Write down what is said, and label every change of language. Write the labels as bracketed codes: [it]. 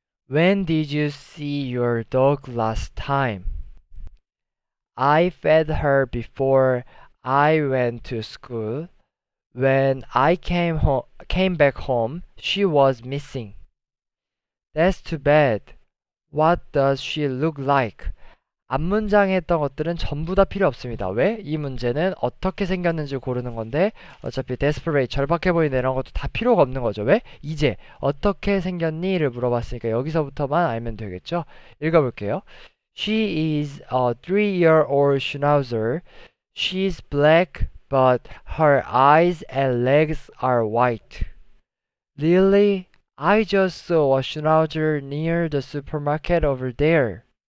[en] When did you see your dog last time? I fed her before I went to school. When I came back home, she was missing. That's too bad. What does she look like? [ko] 앞 문장에 했던 것들은 전부 다 필요 없습니다. 왜? 이 문제는 어떻게 생겼는지 고르는 건데 어차피 desperate, 절박해 보이는 이런 것도 다 필요가 없는 거죠. 왜? 이제 어떻게 생겼니?를 물어봤으니까 여기서부터만 알면 되겠죠. 읽어볼게요. [en] She is a 3-year-old schnauzer. She's black, but her eyes and legs are white. Lily, I just saw a schnauzer near the supermarket over there.